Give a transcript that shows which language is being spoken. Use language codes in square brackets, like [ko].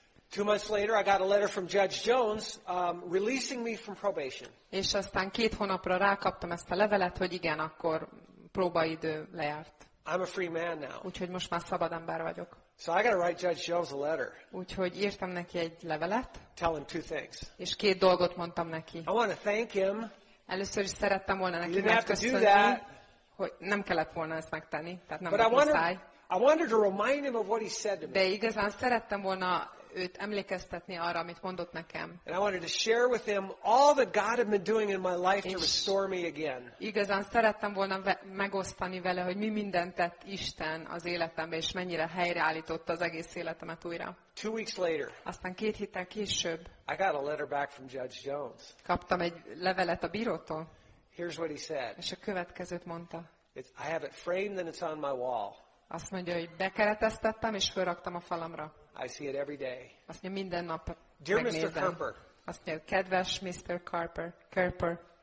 [en] 2 months later I got a letter from Judge Jones releasing me from probation. [hu] És aztán 2 hónapra rákaptam ezt a levelet, hogy igen, akkor próbaidő lejárt. [en] I'm a free man now. [hu] Úgyhogy most már szabad ember vagyok. [en] So I gotta write Judge Jones a letter. [hu] Úgyhogy írtam neki egy levelet. [en] Tell him 2 things. [hu] És 2 dolgot mondtam neki. [en] I want to thank him. [hu] Először is szerettem volna neki megköszönni, hogy nem kellett volna ezt megtenni, tehát nem muszáj. [en] I wanted to remind him of what he said to me. [hu] De igazán szerettem volna őt emlékeztetni arra, amit mondott nekem. [en] And I wanted to share with him all that God had been doing in my life to restore me again. [hu] Igazán szerettem volna megosztani vele, hogy mi mindent tett Isten az életembe, és mennyire helyreállította az egész életemet újra. [en] 2 weeks later. [hu] Aztán 2 héttel később. [en] I got a letter back from Judge Jones. [hu] Kaptam egy levelet a bírótól. [en] Here's what he said. [hu] És a következőt mondta. [en] I have it framed and it's on my wall. [hu] Azt mondja, hogy bekereteztettem és fölraktam a falamra. [en] I see it every day. [hu] Azt mondja, minden nap [en] Dear [hu] megnézem. [en] Mr. Kerper. [hu] Azt mondja, kedves Mr. Kerper.